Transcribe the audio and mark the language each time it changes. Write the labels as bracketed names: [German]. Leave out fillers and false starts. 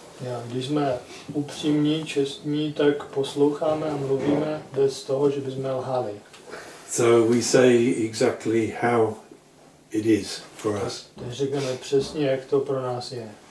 [Czech] Ja, když jsme upřímní, čestní, tak posloucháme a mluvíme bez toho, že bychom lhali. [English] So we say exactly how it is for us. [Czech] Řekneme přesně, jak to pro nás je.